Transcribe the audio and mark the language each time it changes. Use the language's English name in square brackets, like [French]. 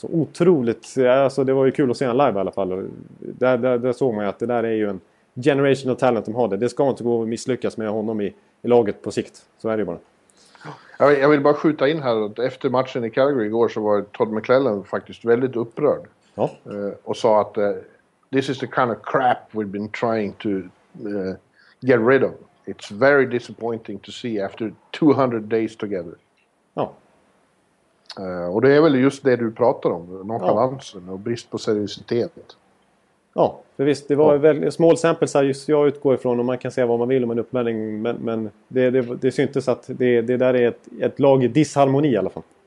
[Swedish] Alltså, otroligt, alltså, det var ju kul att se en live i alla fall. Där såg man ju att det där är ju en [English] generational talent [Swedish] de har. Det ska inte gå att misslyckas med honom i laget på sikt. Så är det ju bara. Jag vill bara skjuta in här att efter matchen i Calgary igår så var Todd McClellan faktiskt väldigt upprörd. Ja. Och sa att [English] this is the kind of crap we've been trying to get rid of. It's very disappointing to see after 200 days together. [Swedish] Ja. Och det är väl just det du pratar om. Nonchalansen och brist på seriositet. Ja, för visst. Det var väl [English] small samples [Swedish] här, just jag utgår ifrån. Och man kan säga vad man vill om en uppmärkning. Men det syntes att det där är ett lag i disharmoni i alla fall.